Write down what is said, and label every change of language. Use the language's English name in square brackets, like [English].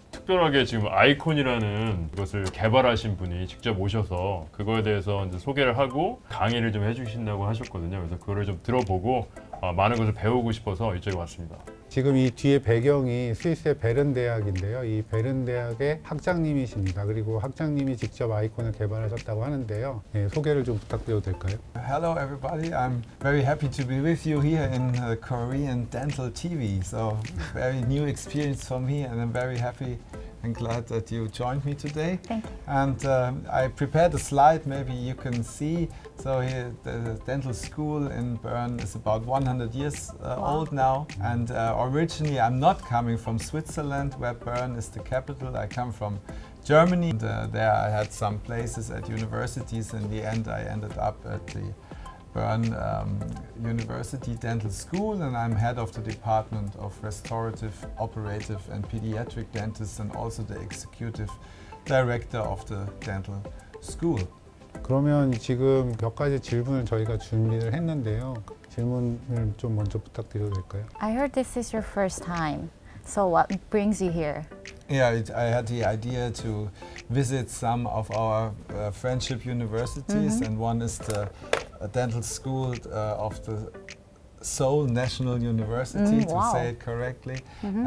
[Korean] 특별하게 지금 아이콘이라는 것을 개발하신 분이 직접 오셔서 그거에 대해서 이제 소개를 하고 강의를 좀 해주신다고 하셨거든요. 그래서 그거를 좀 들어보고 많은 것을 배우고 싶어서 이쪽에 왔습니다. 지금 이 뒤에 배경이 스위스의 베른대학인데요. 이 베른대학의 학장님이십니다. 그리고 학장님이 직접 아이콘을 개발하셨다고 하는데요. 네, 소개를 좀 부탁드려도 될까요? [English] Hello everybody. I'm very happy to be with you here in the Korean Dental TV. So very new experience for me and I'm very happy and glad that you joined me today. Thank you. And I prepared a slide, maybe you can see. So here, the dental school in Bern is about 100 years old now. And originally, I'm not coming from Switzerland, where Bern is the capital. I come from Germany. And, there I had some places at universities. In the end, I ended up at the Bern University Dental School, and I'm head of the Department of Restorative, Operative and Pediatric Dentists, and also the Executive Director of the Dental School. [Korean] 그러면 지금 몇 가지 질문을 저희가 준비를 했는데요. 질문을 좀 먼저 부탁드려도 될까요? [English] I heard this is your first time. So what brings you here? Yeah, I had the idea to visit some of our friendship universities, mm-hmm. and one is the dental school of the Seoul National University, mm, to wow. say it correctly. Mm-hmm.